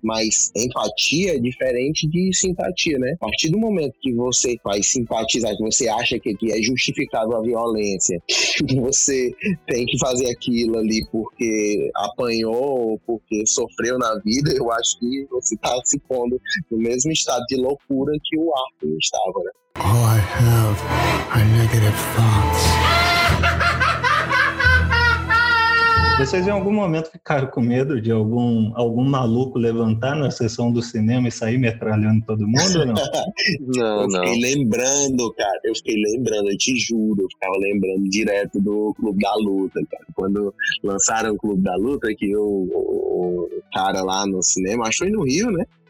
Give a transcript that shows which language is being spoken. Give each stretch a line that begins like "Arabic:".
Portuguese: Mas empatia é diferente de simpatia, né? A partir do momento que você vai simpatizar, que você acha que é justificável a violência, que você tem que fazer aquilo ali porque apanhou ou porque sofreu na vida, eu acho que você tá se pondo no mesmo estado de loucura que o Arthur estava, né?
English: All I have are negative thoughts.
Portuguese: Vocês em algum momento ficaram com medo de algum maluco levantar na sessão do cinema e sair metralhando todo mundo ou não? Não. Eu fiquei lembrando, cara. Eu fiquei lembrando, eu te juro. Eu ficava lembrando direto do Clube da Luta, cara. Quando lançaram o Clube da Luta, que o cara lá no cinema, acho que foi no Rio, né?